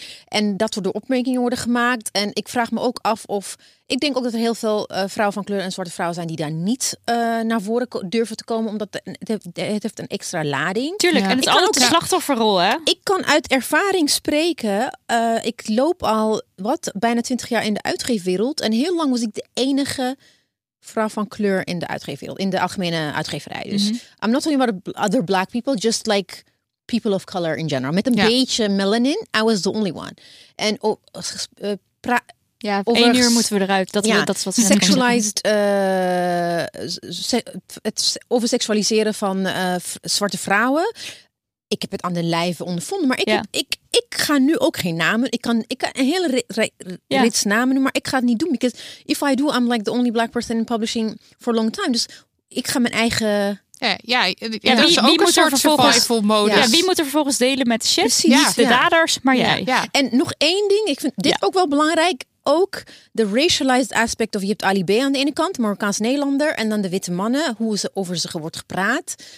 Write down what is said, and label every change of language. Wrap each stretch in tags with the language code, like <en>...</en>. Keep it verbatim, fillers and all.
<nl>En dat soort opmerkingen worden gemaakt. En ik vraag me ook af of, ik denk ook dat er heel veel uh, vrouwen van kleur en zwarte vrouwen zijn die daar niet uh, naar voren ko- durven te komen, omdat de, het, heeft, het heeft een extra lading. Tuurlijk, ja. en het is altijd de slachtofferrol, hè? Ik kan uit ervaring spreken. Uh, ik loop al, wat, bijna twintig jaar in de uitgeefwereld. En heel lang was ik de enige vrouw van kleur in de uitgeverwereld, in de algemene uitgeverij. Dus mm-hmm.</nl> <en>I'm not talking about other black people, just like people of color in general.</en> <nl>Met een ja. beetje</nl> <en>melanin, I was the only one.</en> <nl>En oh, uh, pra- ja, één uur moeten we eruit. Dat, ja, we, dat is wat ze sexualized, uh, se- het overseksualiseren van uh, v- zwarte vrouwen. Ik heb het aan de lijve ondervonden, maar ik, ja. heb, ik, ik ga nu ook geen namen. Ik kan, ik kan een hele re, re, re, ja. rits namen doen, maar ik ga het niet doen.</nl> <en>Because if I do, I'm like the only black person in publishing for a long time.</en> <nl>Dus ik ga mijn eigen. Ja, ja, ja, ja dat wie, is ook een soort survival modus. Ja, wie moet er vervolgens delen met shit? Precies, ja. Niet de ja. daders, maar jij. Ja. Ja. En nog één ding, ik vind dit ja. ook wel belangrijk. Ook de</nl> <en>racialized aspect</en> <nl>of je hebt Ali B aan de ene kant, Marokkaans-Nederlander, en dan de witte mannen, hoe ze over ze wordt gepraat.</nl>